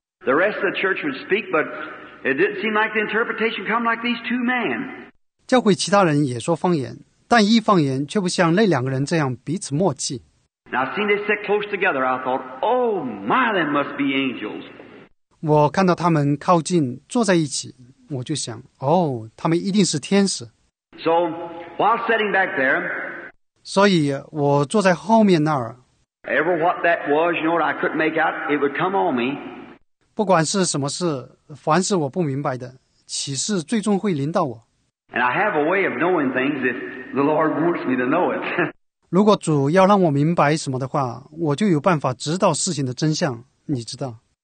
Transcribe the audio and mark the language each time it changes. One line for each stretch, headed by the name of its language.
English: The rest of the church would speak, but it didn't seem like the interpretation come like these two men.
Chinese: 教会其他人也说方言，但译方言却不像那两个人这样彼此默契。
English: Now seeing they sit close together, I thought, oh my, they must be angels.
Chinese: 我看到他们靠近坐在一起，我就想，哦，他们一定是天使。
English: So, while sitting back there,
Chinese: 所以我坐在后面那儿。
English: Ever what that was, you know what I couldn't make out, it would come on me.
Chinese: 不管是什么事，凡是我不明白的，启示最终会临到我。
English: And I have a way of knowing things if the Lord wants me to know it.
Chinese: 如果主要让我明白什么的话，我就有办法知道事情的真相，你知道。